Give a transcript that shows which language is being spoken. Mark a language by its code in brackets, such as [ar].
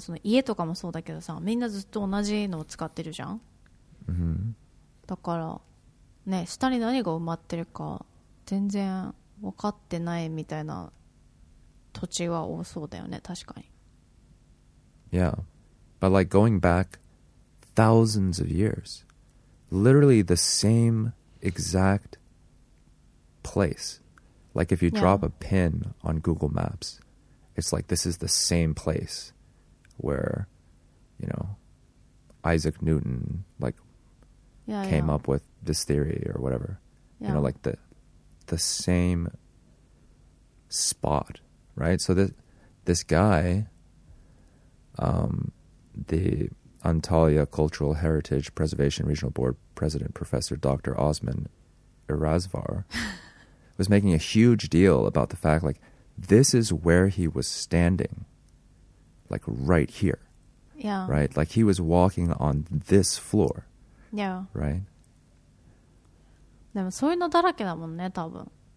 [ja] その家とかもそうだけどさ、 みんなずっと同じのを使ってるじゃん? Mm-hmm. だから、ね、 下に何が埋まってるか全然分かってないみたいな土地は多そうだよね、確かに。 [en] Yeah. But like going back thousands of years, literally the same exact place. Like if you drop a pin on Google Maps, it's like this is the same place where, Isaac Newton came up with this theory or whatever. Yeah. Like the same spot, right? So this guy, the Antalya Cultural Heritage Preservation Regional Board President Professor Dr. Osman Irazvar was making a huge deal about the fact like this is where he was standing, like right here. Yeah. Right? Like he was walking on this floor. Yeah. Right? [ja] でもそういうのだらけだもんね、多分。